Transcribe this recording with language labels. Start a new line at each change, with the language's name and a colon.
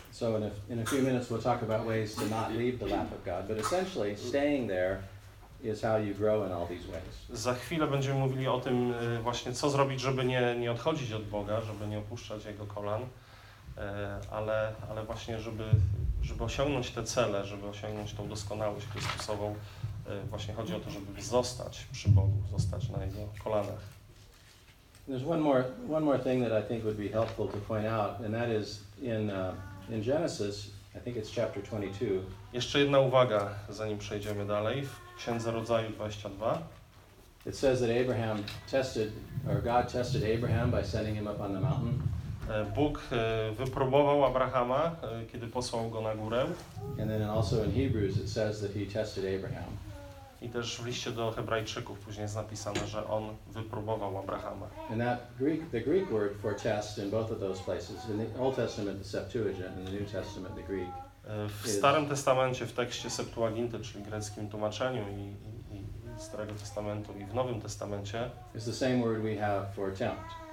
English: So in a few minutes we'll talk about ways to not leave the lap of God, but essentially staying there is how you grow in all these ways.
Polish: Za chwilę będziemy mówili o tym właśnie, co zrobić, żeby nie odchodzić od Boga, żeby nie opuszczać jego kolan, ale właśnie żeby osiągnąć te cele, żeby osiągnąć tą doskonałość Chrystusową, właśnie chodzi o to, żeby zostać przy Bogu, zostać na jego kolanach.
English: There's one more thing that I think would be helpful to point out, and that is in Genesis, I think it's chapter 22.
Polish: Jeszcze jedna uwaga, zanim przejdziemy dalej, w Księdze Rodzaju 22.
English: It says that Abraham tested, or God tested Abraham by sending him up on the mountain.
Polish: Bóg wypróbował Abrahama, kiedy posłał go na górę.
English: And then also in Hebrews it says that he tested Abraham.
Polish: I też w liście do Hebrajczyków później jest napisane, że on wypróbował Abrahama.
English: And that Greek, the Greek word for test in both of those places, in the Old Testament the Septuagint, in the New Testament the Greek.
Polish: W Starym Testamencie, w tekście Septuaginty, czyli greckim tłumaczeniu i Starego Testamentu i w Nowym Testamencie,
English: is the same word we have for tempt.